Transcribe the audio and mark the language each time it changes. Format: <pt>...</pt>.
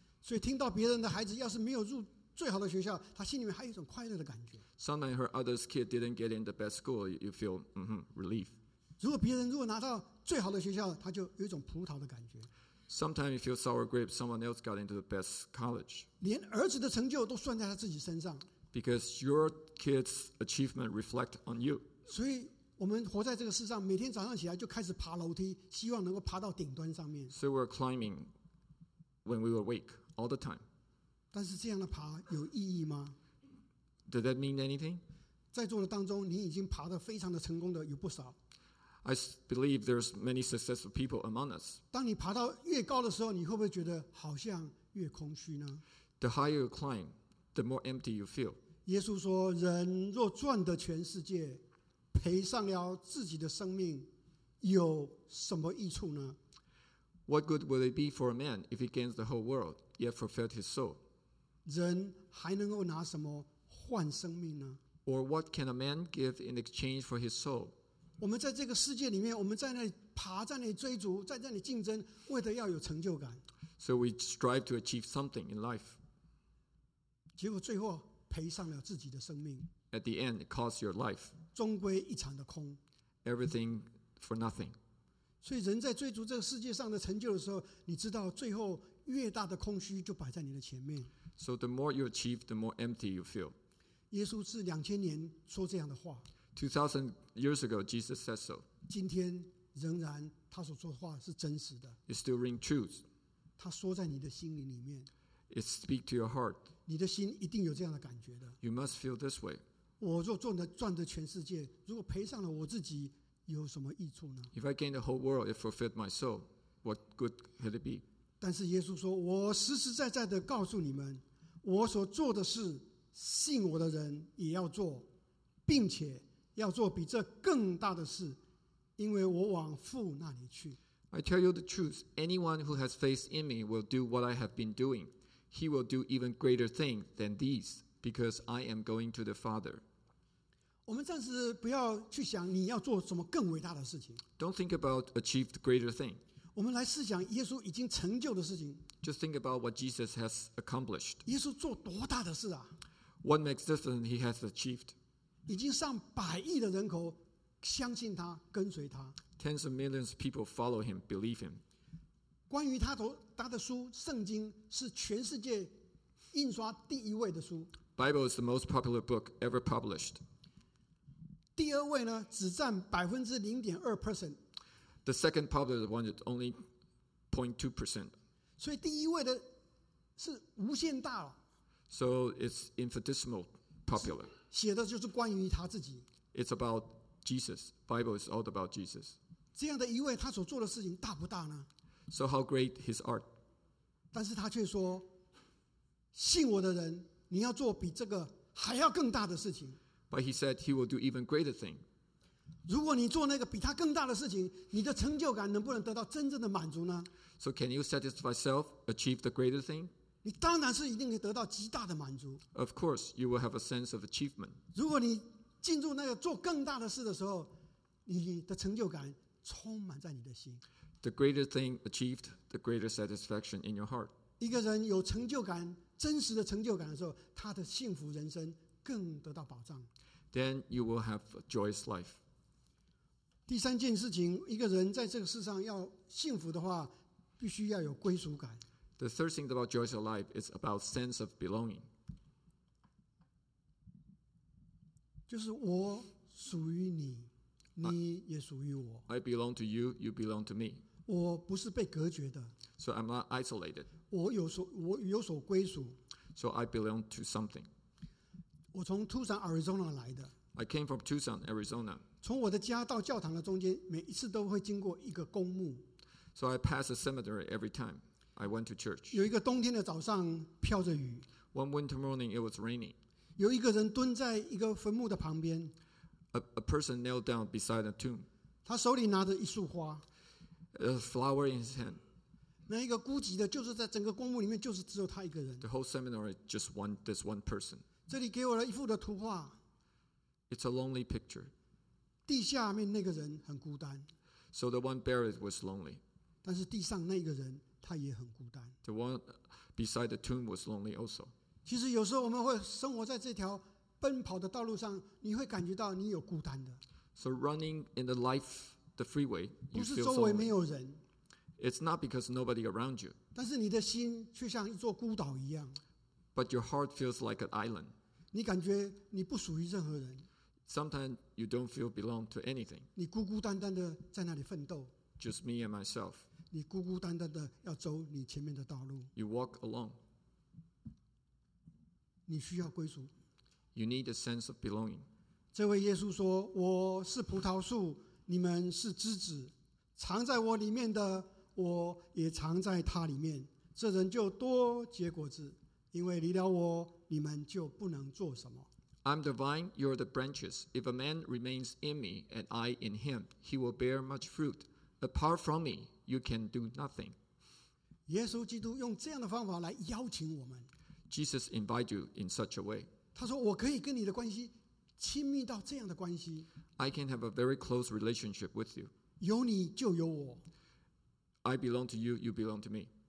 <zh>所以听到别人的孩子要是没有入最好的学校，他心里面还有一种快乐的感觉。</zh> <en>Sometimes her other's kid didn't get in the best school, you feel relief.</en> <zh>如果别人如果拿到最好的学校，他就有一种葡萄的感觉。</zh> <en>Sometimes you feel sour grapes, someone else got into the best college.</en> <zh>连儿子的成就都算在他自己身上。</zh> <en>Because your kids' achievement reflect on you.</en> <zh>所以我们活在这个世上，每天早上起来就开始爬楼梯，希望能够爬到顶端上面。</zh> <en>So we're climbing when we were awake all the time.</en> <zh>但是这样的爬有意义吗？</zh> <en>Does that mean anything?</en> <zh>在座的当中，你已经爬得非常的成功的有不少。</zh> <en>I believe there's many successful people among us.</en> <zh>当你爬到越高的时候，你会不会觉得好像越空虚呢？</zh> <en>The higher you climb, the more empty you feel.</en> <zh>耶稣说，人若赚得全世界，赔上了自己的生命，有什么益处呢？</zh> <en>What good would it be for a man if he gains the whole world, yet forfeit his soul?</en> <zh>人还能够拿什么换生命呢？</zh> <en>Or what can a man give in exchange for his soul?</en> <zh>我们在这个世界里面，我们在那里爬，在那里追逐，在那里竞争，为的要有成就感。</zh> <en>So we strive to achieve something in life.</en> <zh>结果最后赔上了自己的生命。</zh> <en>At the end, it costs your life.</en> <zh>终归一场的空。</zh> <en>Everything for nothing.</en> <zh>所以人在追逐这个世界上的成就的时候，你知道最后越大的空虚就摆在你的前面。</zh> <en>So the more you achieve, the more empty you feel.</en> <zh>耶稣是2000年说这样的话。</zh> <en>2000 years ago, Jesus said so.</en> <zh>今天仍然他所说的话是真实的。</zh> <en>It still rings true.</en> <zh>他说在你的心灵里面。</zh> <en>It speaks to your heart.</en> <zh>你的心一定有这样的感觉的。</zh> <en>You must feel this way.</en> <zh>我若赚得全世界，如果赔上了我自己，有什么益处呢？</zh> <en>If I gain the whole world, it forfeit my soul. What good could it be?</en> <zh>但是耶稣说，我实实在在的告诉你们，我所做的事，信我的人也要做，并且要做比这更大的事，因为我往父那里去。</zh> <en>I tell you the truth, anyone who has faith in me will do what I have been doing. He will do even greater things than these, because I am going to the Father.</en> <zh>我们暂时不要去想你要做什么更伟大的事情。</zh> <en>Don't think about achieved greater thing.</en> <zh>我们来试想耶稣已经成就的事情。</zh> <en>Just think about what Jesus has accomplished.</en> <zh>耶稣做多大的事啊？</zh> <en>What magnificent he has achieved.</en> <zh>已经上百亿的人口相信他，跟随他。</zh> <en>Tens of millions of people follow him, believe him.</en> <zh>关于他的书，圣经是全世界印刷第一位的书。</zh> <en>Bible is the most popular book ever published.</en> <zh>第二位呢，只占0.2%。</zh> <en>The second popular one is only 0.2%.</en> <zh>所以第一位的是无限大了。</zh> <en>So it's infinitesimal popular.</en> <zh>写的就是关于他自己。</zh> <en>It's about Jesus. Bible is all about Jesus.</en> <zh>这样的一位，他所做的事情大不大呢？</zh> <en>So how great his art?</en> <zh>但是他却说，信我的人，你要做比这个还要更大的事情。</zh> <en>But he said he will do even greater thing.</en> <zh>如果你做那个比他更大的事情，你的成就感能不能得到真正的满足呢？</zh> <en>So can you satisfy yourself, achieve the greater thing?</en> <zh>你当然是一定可以得到极大的满足。</zh> <en>Of course, you will have a sense of achievement.</en> <zh>如果你进入那个做更大的事的时候，你的成就感充满在你的心。</zh> <en>The greater thing achieved, the greater satisfaction in your heart.</en> <zh>一个人有成就感，真实的成就感的时候，他的幸福人生更得到保障。</zh> <en>Then you will have a joyous life.</en> <zh>第三件事情，一个人在这个世上要幸福的话，必须要有归属感。</zh> <en>The third thing about joy of life is about sense of belonging.</en> <zh>就是我属于你，你也属于我。</zh> <en>I belong to you, you belong to me.</en> <zh>我不是被隔绝的。</zh> <en>So I'm not isolated.</en> <zh>我有所归属。</zh> <en>So I belong to something.</en> <zh>我从 Tucson, Arizona 来的。</zh> <en>I came from Tucson, Arizona.</en> <zh>从我的家到教堂的中间，每一次都会经过一个公墓。</zh> <en>So I pass a cemetery every time. I went to church.</en> <zh>有一个冬天的早上飘着雨。</zh> <en>One winter morning, it was raining.</en> <zh>有一个人蹲在一个坟墓的旁边。</zh> <en>A person knelt down beside a tomb.</en> <zh>他手里拿着一束花。</zh> <en>A flower in his hand.</en> <zh>那一个孤寂的，就是在整个公墓里面，就是只有他一个人。</zh> <en>The whole seminary just one, this one person.</en> <zh>这里给我了一幅的图画。</zh> <en>It's a lonely picture.</en> <zh>地下面那个人很孤单。</zh> <en>So the one buried was lonely.</en> <zh>但是地上那个人他也很孤单。</zh> <en>The one beside the tomb was lonely also.</en> <zh>其实有时候我们会生活在这条奔跑的道路上，你会感觉到你有孤单的。</zh> <en>So running in the life, the freeway, you feel lonely.</en> <zh>不是周围没有人。</zh> <en>It's not because nobody around you.</en> <zh>但是你的心却像一座孤岛一样。</zh> <en>But your heart feels like an island.</en> <zh>你感觉你不属于任何人。</zh> <en>Sometimes you don't feel belong to anything.</en> <zh>你孤孤单单的在那里奋斗。</zh> <en>Just me and myself.</en> <zh>你孤孤单单的要走你前面的道路。</zh> <en>You walk alone.</en> <zh>你需要归属。</zh> <en>You need a sense of belonging.</en> <zh>这位耶稣说，我是葡萄树，你们是枝子，藏在我里面的，我也藏在他里面，这人就多结果子，因为离了我，你们就不能做什么。</zh> <en>I'm the vine, you're the branches. If a man remains in me and I in him, he will bear much fruit. Apart from me, you can do nothing.</en> <zh>耶稣基督用这样的方法来邀请我们。</zh> <en>Jesus invites you in such a way.</en> <zh>他说，我可以跟你的关系亲密到这样的关系。</zh> <en>I can have a very close relationship with you.</en> <zh>有你就有我。</zh> <en>I belong to you, you belong to me.</en>